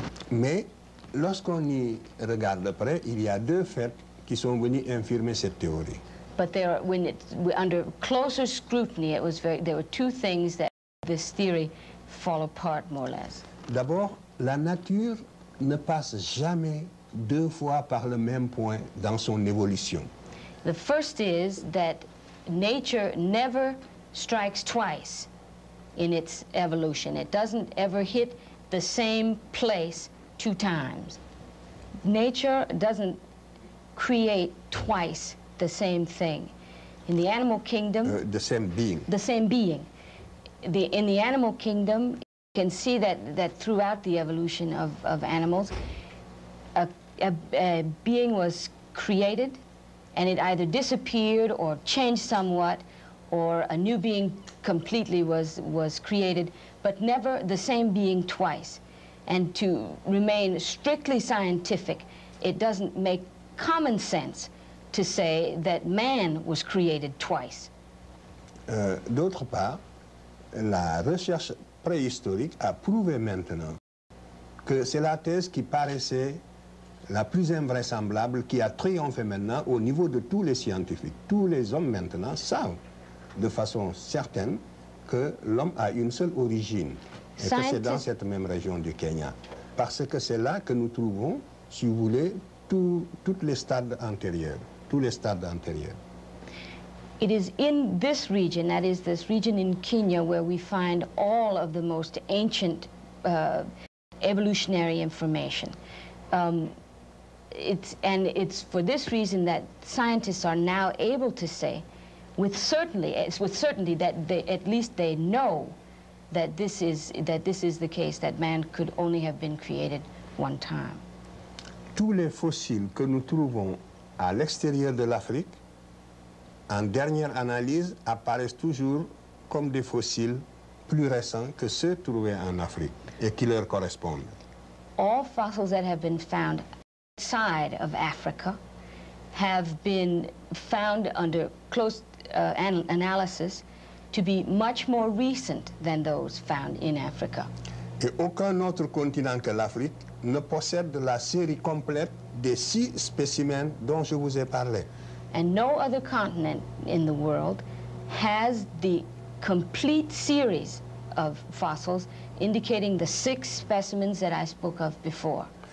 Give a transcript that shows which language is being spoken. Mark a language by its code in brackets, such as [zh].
[fr] Mais lorsqu'on y regarde près, il y a deux faits qui sont venus infirmer cette théorie. [en] But there, when it under closer scrutiny, it was very. There were two things that this theory fall apart more or less. [fr] D'abord, la nature ne passe jamais deux fois par le même point dans son évolution. [en] The first is that nature never strikes twice in its evolution. It doesn't ever hit the same place two times. Nature doesn't create twice the same thing. In the animal kingdom... The same being. The same being. In the animal kingdom, you can see that throughout the evolution of animals, a being was created, and it either disappeared or changed somewhat, or a new being completely was created, but never the same being twice. And to remain strictly scientific, it doesn't make common sense to say that man was created twice. [fr] D'autre part, la recherche préhistorique a prouvé maintenant que c'est la thèse qui paraissait la plus invraisemblable qui a triomphé maintenant au niveau de tous les scientifiques. Tous les hommes maintenant savent de façon certaine que l'homme a une seule origine et que c'est dans cette même région du Kenya. Parce que c'est là que nous trouvons, si vous voulez, toutes les stades antérieurs, tous les stades antérieurs. [en] It is in this region, that is this region in Kenya, where we find all of the most ancient evolutionary information. It's for this reason that scientists are now able to say with certainty that they, at least they know that this is the case, that man could only have been created one time. [fr] Tous les fossiles que nous trouvons à l'extérieur de l'Afrique, en dernière analyse, apparaissent toujours comme des fossiles plus récents que ceux trouvés en Afrique et qui leur correspondent. [en] All fossils that have been found outside of Africa have been found under close analysis to be much more recent than those found in Africa. [fr] Et aucun autre continent que l'Afrique ne possède la série complète des six spécimens dont je vous ai parlé. [en] And no other continent in the world has the complete series of fossils indicating the six specimens that I spoke of before.